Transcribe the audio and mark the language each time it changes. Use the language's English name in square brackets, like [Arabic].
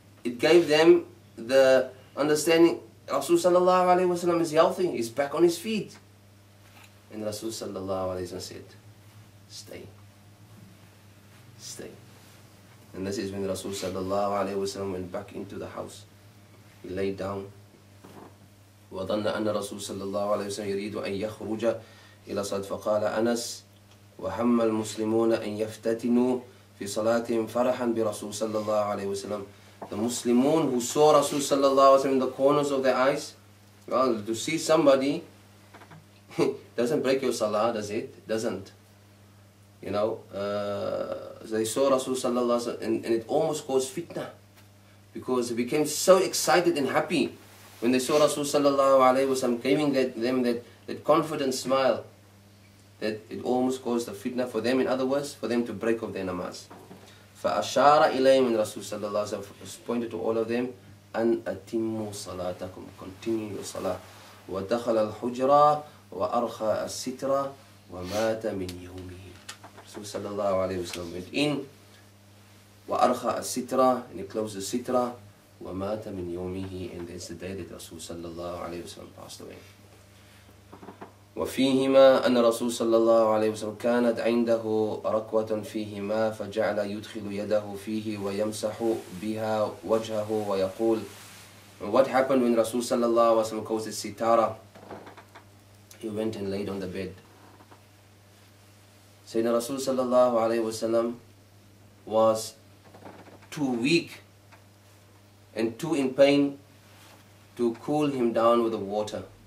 [English] It gave them the understanding Rasul sallallahu alayhi wa sallam is healthy, he's back on his feet. And Rasul sallallahu alayhi wa sallam said, stay. Stay. And this is when Rasul sallallahu alayhi wa sallam went back into the house. He laid down. [Arabic] وَظَنَّ أَنَّ رَسُولَ صَلَّى اللَّهُ عَلَيْهِ وَسَلَّمَ [English] يُرِيدُ أَنْ يَخْرُجَ إِلَى صَلَاتِ فَقَالَ أَنَسْ وَهَمَّ الْمُسْلِمُونَ أَنْ يَفْتَتِنُوا فِي صَلَاتِهِمْ فَرَحًا بِرَسُولِ صَلَّى اللَّهُ عَلَيْهِ وَسَلَّمَ The Muslimun who saw Rasul sallallahu alayhi wa sallam in the corners of their eyes, well, to see somebody doesn't break your salah, does it? Doesn't. You know, they saw Rasul sallallahu alayhi wa sallam and it almost caused fitna because they became so excited and happy when they saw Rasul sallallahu alayhi wa sallam giving them that confident smile that it almost caused a fitna for them, in other words, for them to break off their namaz. [Arabic] فَأَشَارَ إِلَيْهِمْ رَسُولُ صَلَّى اللَّهُ عَلَيْهِ وَسَلَّمُ [English] pointed to all of them [Arabic] أَنْ أَتِمُّوا صَلَاتَكُمْ [English] continue your salah [Arabic] وَدَخَلَ الْحُجْرَى وَأَرْخَى السِّتْرَى وَمَاتَ مِنْ يَوْمِهِ رسول صلى الله عليه وسلم [English] went in [Arabic] وَأَرْخَى السِّتْرَى [English] and he closed the sitra [Arabic] ومات من يومه [English] and that's the day that رسول صلى الله عليه وسلم passed away. [Arabic] وفيهما أن رسول صلى الله عليه وسلم كانت عنده ركوة فيهما فجعل يدخل يده فيه ويمسح بها وجهه ويقول. [English] What happened when رسول صلى الله عليه وسلم goes to sitara? He went and laid on the bed. Sayyidina Rasul sallallahu alayhi wa sallam was too weak and too in pain to cool him down with the water.